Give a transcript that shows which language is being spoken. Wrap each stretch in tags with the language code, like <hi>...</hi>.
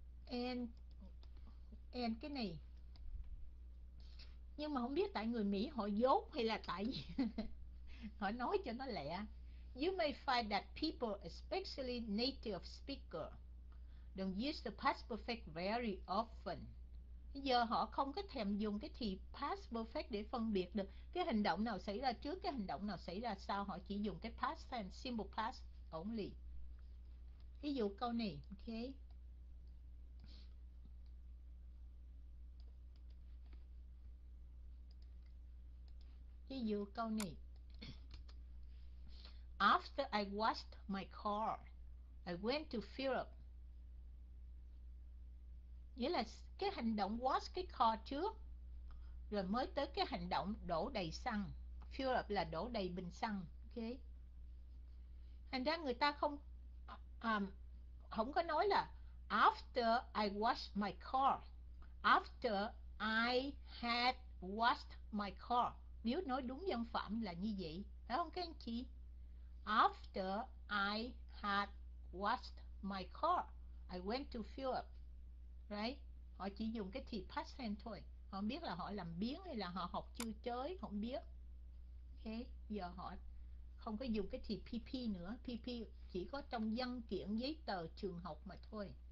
<vi>And cái này, nhưng mà không biết tại người Mỹ họ dốt hay là tại họ nói cho nó lẹ.</vi> <en>You may find that people, especially native speaker, don't use the past perfect very often.</en> <vi>Bây giờ họ không có thèm dùng cái thì past perfect để phân biệt được cái hành động nào xảy ra trước, cái hành động nào xảy ra sau. Họ chỉ dùng cái past tense, simple past only. Ví dụ câu này, okay. Ví dụ câu này.</vi> <en>After I washed my car, I went to Philip.</en> <vi>Nghĩa là cái hành động wash cái car trước, rồi mới tới cái hành động đổ đầy xăng. Philip là đổ đầy bình xăng. Okay. Thành ra người ta không không có nói là after I washed my car, after I had washed my car. Nếu nói đúng văn phạm là như vậy, phải không các anh chị?</vi> <en>After I had washed my car, I went to Philip. Right?</en> <vi>Họ chỉ dùng cái thì past tense thôi. Họ không biết là họ làm biếng hay là họ học chưa chới, không biết. Okay. Giờ họ không có dùng cái thì PP nữa. PP chỉ có trong văn kiện, giấy tờ trường học mà thôi.</vi>